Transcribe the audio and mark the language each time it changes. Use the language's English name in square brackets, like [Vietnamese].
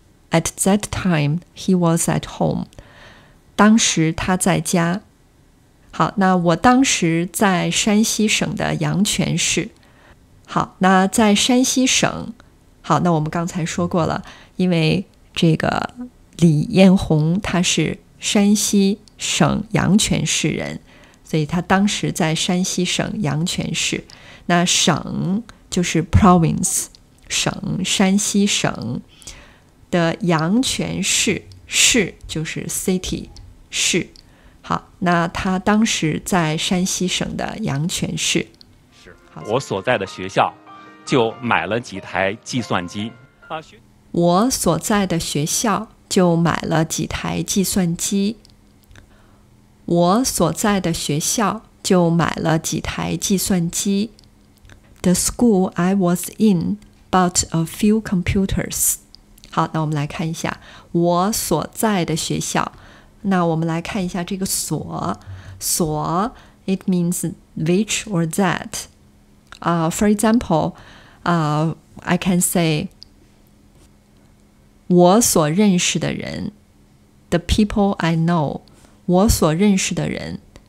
[English] At that time, he was at home， [Chinese] 当时他在家。好，那我当时在山西省的阳泉市。好，那在山西省。好，那我们刚才说过了，因为这个李彦宏他是山西省阳泉市人，所以他当时在山西省阳泉市。那省就是 province， 省，山西省的阳泉市，市就是 city， 市。好，那他当时在山西省的阳泉市。是，我所在的学校就买了几台计算机。我所在的学校就买了几台计算机。我所在的学校就买了几台计算机。 [English] The school I was in bought a few computers. [Chinese] 好，那我们来看一下我所在的学校。那我们来看一下这个所。 [English] 所 it means which or that. For example, I can say, [Chinese] 我所认识的人 [English] The people I know， 我所认识的人。